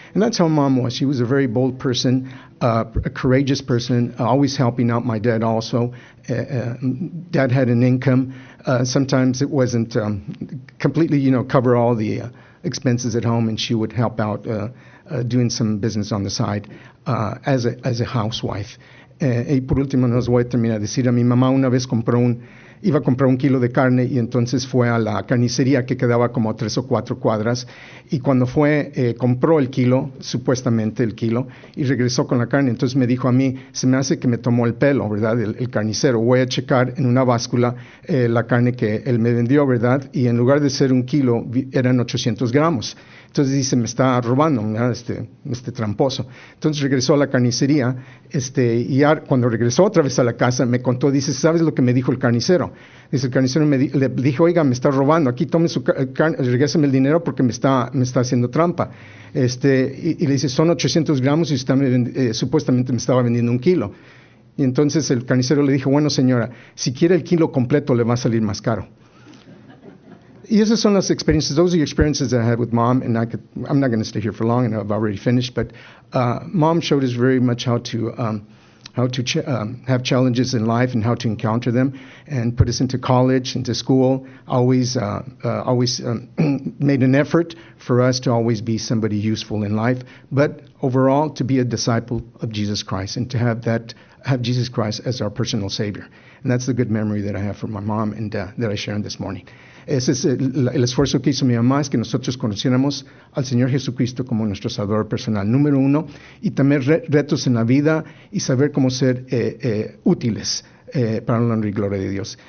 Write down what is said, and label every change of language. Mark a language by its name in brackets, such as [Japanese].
[English] And that's how mom was. She was a very bold person, a courageous person, always helping out my dad also. Dad had an income. Sometimes it wasn't completely, you know, cover all the expenses at home, and she would help out doing some business on the side as a housewife. [Spanish] Y por último nos voy a terminar de decir, a mi mamá una vez iba a comprar 1 kilo de carne y entonces fue a la carnicería que quedaba como 3 o 4 cuadras y cuando fue, compró el kilo, supuestamente el kilo, y regresó con la carne, entonces me dijo a mí, se me hace que me tomó el pelo, ¿verdad?, el carnicero, voy a checar en una báscula la carne que él me vendió, ¿verdad?, y en lugar de ser 1 kilo, eran 800 gramos. Entonces dice, me está robando, ¿verdad? este tramposo. Entonces regresó a la carnicería, y cuando regresó otra vez a la casa, me contó, dice, ¿sabes lo que me dijo el carnicero? Dice, el carnicero le dijo, oiga, me está robando, aquí tome su carne, regréseme el dinero porque me está haciendo trampa. Y le dice, son 800 gramos y usted supuestamente me estaba vendiendo 1 kilo. Y entonces el carnicero le dijo, bueno, señora, si quiere el kilo completo le va a salir más caro. Y esas son las experiencias, [English] those are the experiences that I had with mom, and I'm not going to stay here for long, and I've already finished, but mom showed us very much how to have challenges in life and how to encounter them, and put us into college, into school, always made an effort for us to always be somebody useful in life, but overall to be a disciple of Jesus Christ and to have Jesus Christ as our personal Savior. And that's the good memory that I have for my mom and that I share this morning. [Spanish] Ese es el esfuerzo que hizo mi mamá, es que nosotros conociéramos al Señor Jesucristo como nuestro Salvador personal, número uno, y también retos en la vida y saber cómo ser útiles para la honra y gloria de Dios.